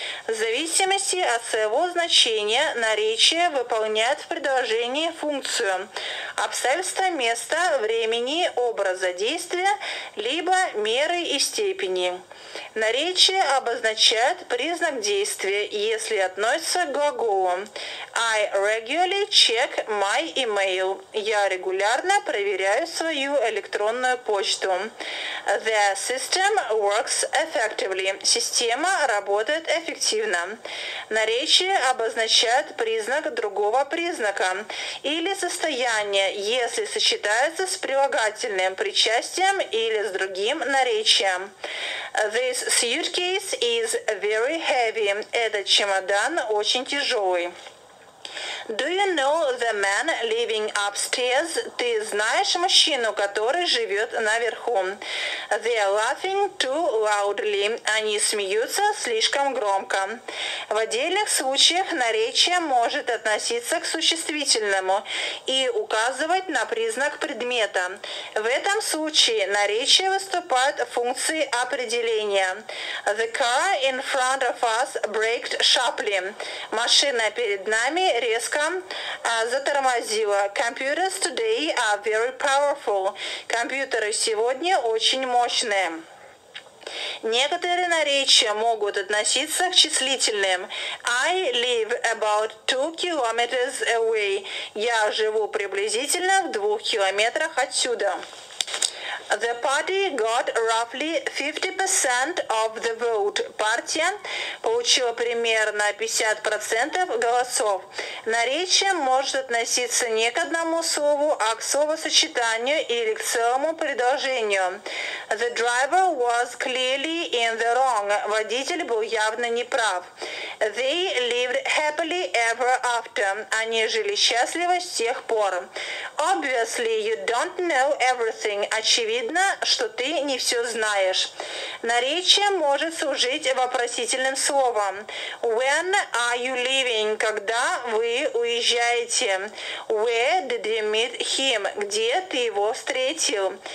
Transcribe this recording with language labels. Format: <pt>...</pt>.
<ru>В зависимости от своего значения наречие выполняет в предложении функцию обстоятельства места, времени, образа действия, либо меры и степени. Наречие обозначает признак действия, если относится к глаголу.</ru> <en>I regularly check my email.</en> <ru>Я регулярно проверяю свою электронную почту.</ru> <en>The system works effectively.</en> <ru>Система работает эффективно. Наречие обозначает признак другого признака или состояния, если сочетается с прилагательным причастием или с другим наречием.</ru> <en>This suitcase is very heavy.</en> <ru>Этот чемодан очень тяжелый.</ru> <en>Do you know the man living upstairs?</en> <ru>Ты знаешь мужчину, который живет наверху?</ru> <en>They are laughing too loudly.</en> <ru>Они смеются слишком громко. В отдельных случаях наречие может относиться к существительному и указывать на признак предмета. В этом случае наречие выступает в функции определения.</ru> <en>The car in front of us braked sharply.</en> <ru>Машина перед нами резко затормозила.</ru> <en>Computers today are very powerful.</en> <ru>Компьютеры сегодня очень мощные. Некоторые наречия могут относиться к числительным.</ru> <en>I live about 2 kilometers away.</en> <ru>Я живу приблизительно в 2 километрах отсюда.</ru> <en>The party got roughly 50% of the vote.</en> <ru>Партия получила примерно 50% голосов. Наречие может относиться не к одному слову, а к словосочетанию или к целому предложению.</ru> <en>The driver was clearly in the wrong.</en> <ru>Водитель был явно неправ.</ru> <en>They lived happily ever after.</en> <ru>Они жили счастливо с тех пор.</ru> <en>Obviously, you don't know everything.</en> <ru>Очевидно, что ты не все знаешь. Наречие может служить вопросительным словом.</ru> <en>When are you leaving?</en> <ru>Когда вы уезжаете?</ru> <en>Where did you meet him?</en> <ru>Где ты его встретил?</ru>